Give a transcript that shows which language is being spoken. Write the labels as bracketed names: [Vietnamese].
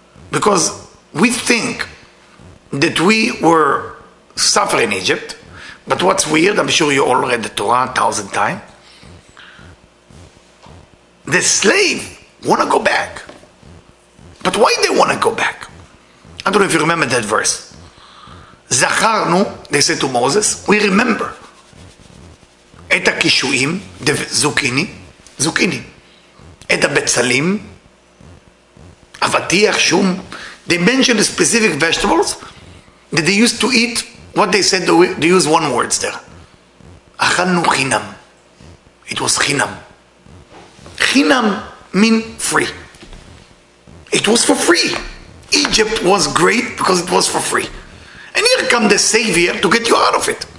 [English] Because we think that we were suffering in Egypt, but what's weird, I'm sure you all read the Torah 1,000 times, the slave wanna go back. But why they wanna go back? I don't know if you remember that verse. Zacharnu, they said to Moses, we remember. [Hebrew] את הקישואים, זוקיני, זוקיני, את הבצלים, אבטיח, שום. [English] They mentioned specific vegetables that they used to eat. What they said, they used one word there. [Hebrew] אכלנו חינם. [English] It was חינם. חינם mean free. It was for free. Egypt was great because it was for free. And here come the savior to get you out of it.